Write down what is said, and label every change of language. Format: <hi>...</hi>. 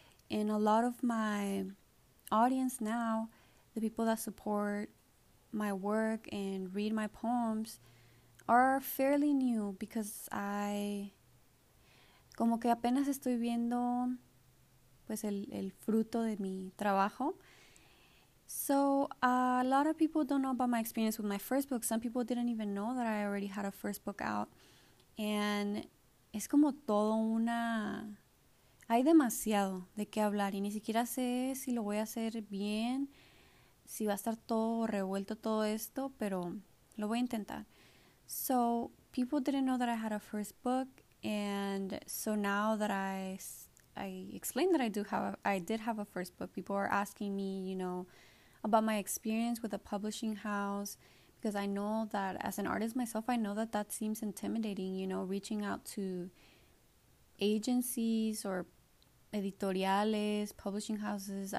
<en>And a lot of my audience now, the people that support my work and read my poems, are fairly new because</en> <es>como que apenas estoy viendo pues el fruto de mi trabajo.</es> <en>So a lot of people don't know about my experience with my first book. Some people didn't even know that I already had a first book out.</en> <es>And es como todo una... Hay demasiado de qué hablar y ni siquiera sé si lo voy a hacer bien, si va a estar todo revuelto todo esto, pero lo voy a intentar.</es> <en>So, people didn't know that I had a first book, and so now that I explained that I did have a first book, people are asking me, you know, about my experience with a publishing house, because I know that as an artist myself, I know that that seems intimidating, you know, reaching out to agencies or editoriales, publishing houses.</en>